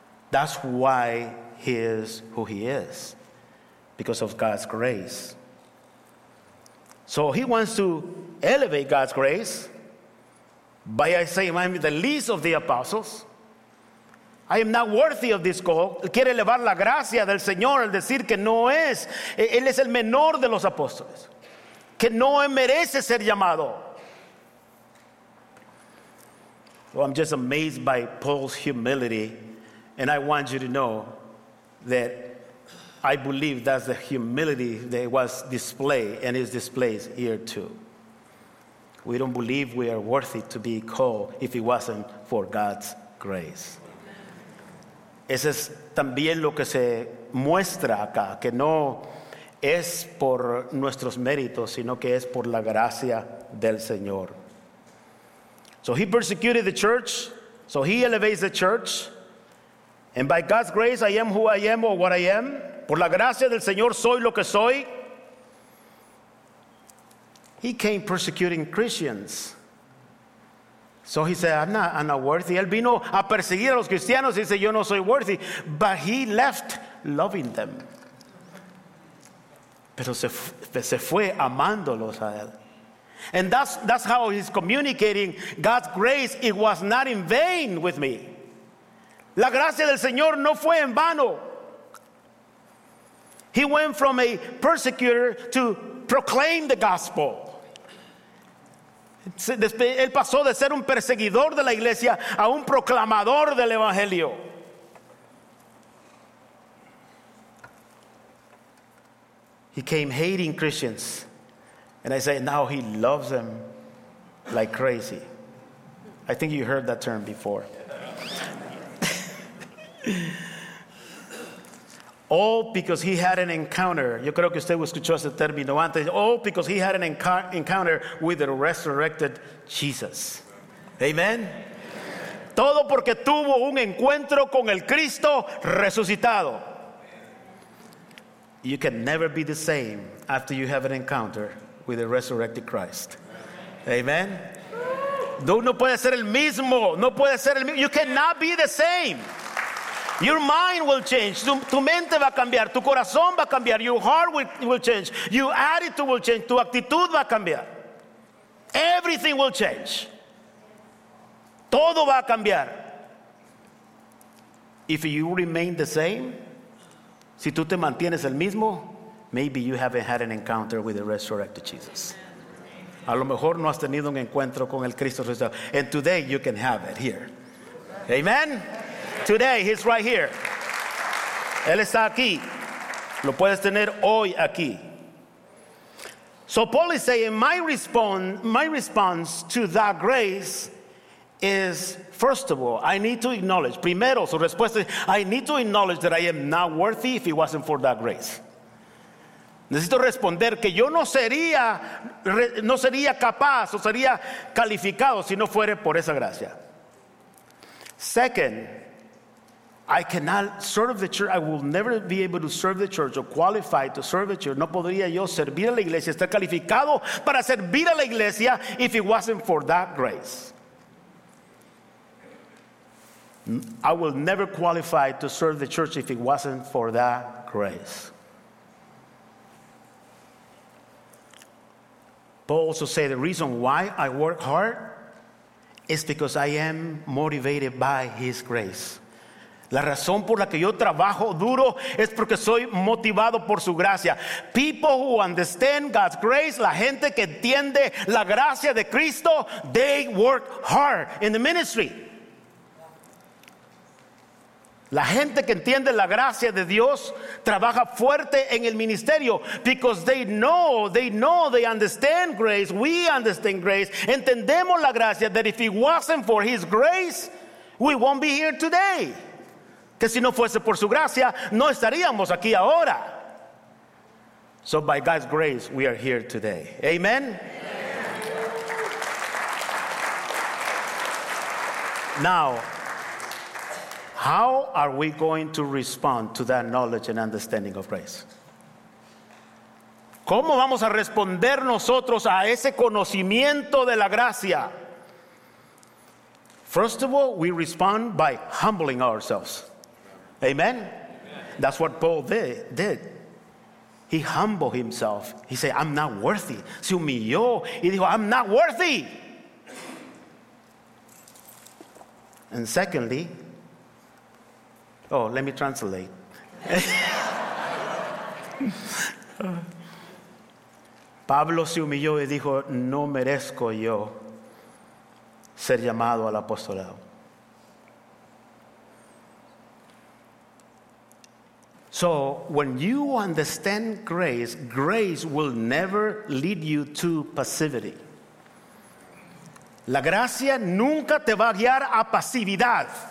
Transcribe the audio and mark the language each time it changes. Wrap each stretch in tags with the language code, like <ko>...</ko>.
<en>That's why he is who he is, because of God's grace. So he wants to elevate God's grace by saying, "I'm the least of the apostles. I am not worthy of this call."</en> <es>Quiere elevar la gracia del Señor al decir que no es. Él es el menor de los apóstoles. Que no merece ser llamado.</es> <en>Well, I'm just amazed by Paul's humility, and I want you to know that I believe that's the humility that was displayed and is displayed here too. We don't believe we are worthy to be called if it wasn't for God's grace.</en> <es>Ese es también lo que se muestra acá, que no es por nuestros méritos, sino que es por la gracia del Señor.</es> <en>So he persecuted the church, so he elevates the church. And by God's grace, I am who I am or what I am.</en> <es>Por la gracia del Señor, soy lo que soy.</es> <en>He came persecuting Christians. So he said, I'm not worthy.</en> <es>Él vino a perseguir a los cristianos y dice, yo no soy worthy.</es> <en>But he left loving them.</en> <es>Pero se fue amándolos a él.</es> <en>And that's how he's communicating God's grace. It was not in vain with me.</en> <es>La gracia del Señor no fue en vano.</es> <en>He went from a persecutor to proclaim the gospel.</en> <es>Él pasó de ser un perseguidor de la iglesia a un proclamador del evangelio.</es> <en>He came hating Christians. And I say, now he loves them like crazy. I think you heard that term before. All because he had an encounter.</en> <es>Yo creo que usted escuchó ese término antes.</es> <en>All because he had an encounter with the resurrected Jesus. Amen.</en> <es>Todo porque tuvo un encuentro con el Cristo resucitado.</es> <en>You can never be the same after you have an encounter with the resurrected Christ.</en> <es>Amen. No puede ser el mismo. No puede ser el mismo.</es> <en>You cannot be the same. Your mind will change.</en> <es>Tu mente va a cambiar. Tu corazón va a cambiar.</es> <en>Your heart will change. Your attitude will change.</en> <es>Tu actitud va a cambiar.</es> <en>Everything will change.</en> <es>Todo va a cambiar.</es> <en>If you remain the same,</en> <es>si tú te mantienes el mismo,</es> <en>maybe you haven't had an encounter with the resurrected Jesus.</en> <es>A lo mejor no has tenido un encuentro con el Cristo resucitado.</es> <en>And today you can have it here. Amen. Today, he's right here.</en> <es>Él está aquí. Lo puedes tener hoy aquí.</es> <en>So Paul is saying, my response to that grace is, first of all, I need to acknowledge.</en> <es>Primero, su respuesta es,</es> <en>I need to acknowledge that I am not worthy if it wasn't for that grace.</en> <es>Necesito responder que yo no sería capaz o sería calificado si no fuera por esa gracia.</es> <en>Second, I cannot serve the church. I will never be able to serve the church or qualify to serve the church.</en> <es>No podría yo servir a la iglesia,</es> <en>estar calificado para servir a la iglesia if it wasn't for that grace. I will never qualify to serve the church if it wasn't for that grace. Paul also said the reason why I work hard is because I am motivated by his grace.</en> <es>La razón por la que yo trabajo duro es porque soy motivado por su gracia.</es> <en>People who understand God's grace,</en> <es>la gente que entiende la gracia de Cristo,</es> <en>they work hard in the ministry.</en> <es>La gente que entiende la gracia de Dios trabaja fuerte en el ministerio</es> <en>because they know, they understand grace. We understand grace.</en> <es>Entendemos la gracia,</es> <en>that if it wasn't for his grace, we won't be here today.</en> <es>Que si no fuese por su gracia, no estaríamos aquí ahora.</es> <en>So by God's grace, we are here today. Amen. Now, how are we going to respond to that knowledge and understanding of grace?</en> <es>¿Cómo vamos a responder nosotros a ese conocimiento de la gracia?</es> <en>First of all, we respond by humbling ourselves. Amen? Amen. That's what Paul did. He humbled himself. He said, I'm not worthy.</en> <es>Se humilló y dijo,</es> <en>I'm not worthy. And secondly, let me translate.</en> <es>Pablo se humilló y dijo, no merezco yo ser llamado al apostolado.</es> <en>So when you understand grace, grace will never lead you to passivity.</en> <es>La gracia nunca te va a guiar a pasividad.</es>